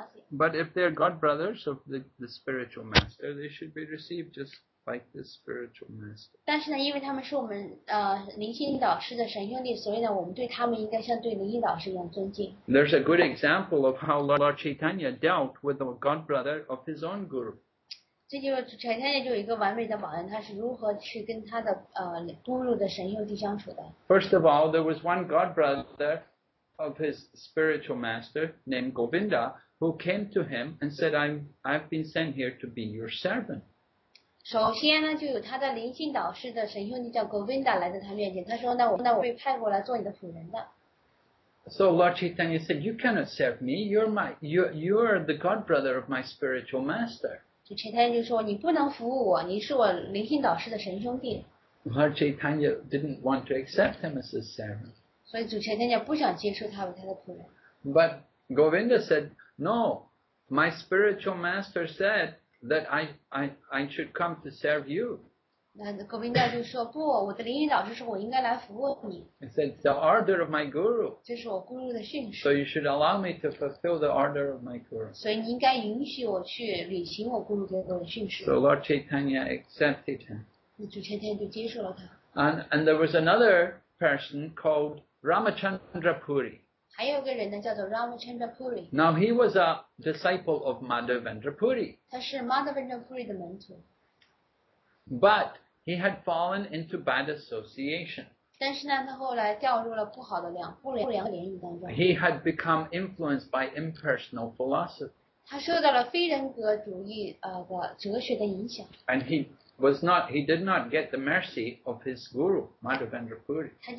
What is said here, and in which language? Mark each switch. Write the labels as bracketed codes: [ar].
[en] But if they're godbrothers of the spiritual master, they should be received just like the spiritual master. [zh] 但是呢，因为他们是我们灵性导师的神兄弟，所以呢，我们对他们应该像对灵性导师一样尊敬。 [en] There's a good example of how Lord Chaitanya dealt with the godbrother of his own guru. [zh] 这就是 Chaitanya 就有一个完美的榜样，他是如何去跟他的guru 的神兄弟相处的。 [en] First of all, there was one godbrother. Of his spiritual master named Govinda, who came to him and said, "I've been sent here to be your servant." [zh] 首先呢，就有他的灵性导师的神兄弟叫 Govinda 来到他面前，他说呢，我被派过来做你的仆人的。 [en] So Lord Chaitanya said, "You cannot serve me. You're the god brother of my spiritual master." [zh] 就 Chaitanya 就说，你不能服务我，你是我灵性导师的神兄弟。 [en] Lord Chaitanya didn't want to accept him as a servant. [zh] 所以主持人家不想接受他为他的仆人。 [en] But Govinda said, "No, my spiritual master said that I should come to serve you." [zh] 那 Govinda 就说不，我的灵性导师说我应该来服务你。 [en] He said, "The order of my guru." [zh] 这是我 guru 的训示。 [en] So you should allow me to fulfill the order of my guru. [zh] 所以你应该允许我去履行我 guru 给我的训示。 [en] So Lord Chaitanya accepted him. [zh] 主持人就接受了他。 [en] And there was another. Person called Ramachandra Puri. [zh] 还有个人呢，叫做 Ramachandra Puri. [en] Now he was a disciple of Madhavendra Puri. [zh] 他是 Madhavendra Puri 的门徒。 [en] But he had fallen into bad association. [zh] 但是呢，他后来掉入了不好的不良联谊当中。 [en] He had become influenced by impersonal philosophy. [zh] 他受到了非人格主义的哲学的影响。 [en] And he was not, he did not get the mercy of his guru, Madhavendra Puri.